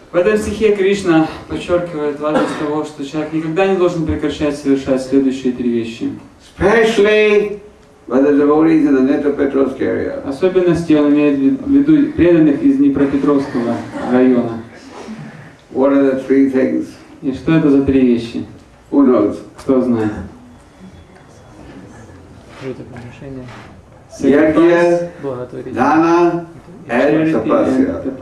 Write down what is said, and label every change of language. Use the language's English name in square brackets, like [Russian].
[Russian] В этом стихе Кришна подчеркивает важность того, что человек никогда не должен прекращать совершать следующие три вещи. [English] Especially by the devotees in the Dnepropetrovsk area. [Russian] Особенности он имеет в виду преданных из Днепропетровского района. [English] What are the three things? [Russian] И что это за три вещи? [English] Who knows? [Russian] Кто знает? Ягья, дана, тапасия.